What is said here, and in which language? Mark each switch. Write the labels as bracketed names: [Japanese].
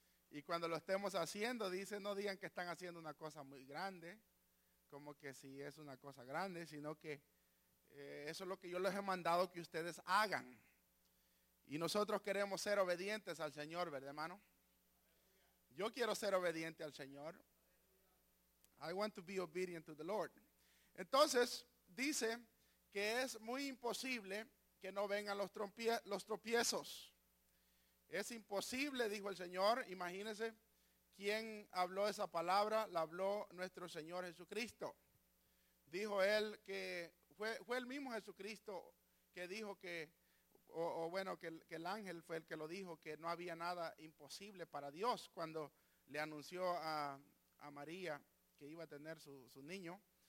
[Spanish] Y cuando lo estemos haciendo, dice, no digan que están haciendo una cosa muy grande, como que si es una cosa grande, sino que eso es lo que yo les he mandado que ustedes hagan. Y nosotros queremos ser obedientes al Señor, ¿verdad, hermano? Yo quiero ser obediente al Señor. [English] I want to be obedient to the Lord. [Spanish] Entonces, dice que es muy imposible que no vengan los tropiezos. Es imposible, dijo el Señor. Imagínense quién habló esa palabra. La habló nuestro Señor Jesucristo. Dijo él que fue el mismo Jesucristo que dijo que, que el ángel fue el que lo dijo, que no había nada imposible para Dios cuando le anunció a María que iba a tener su niño.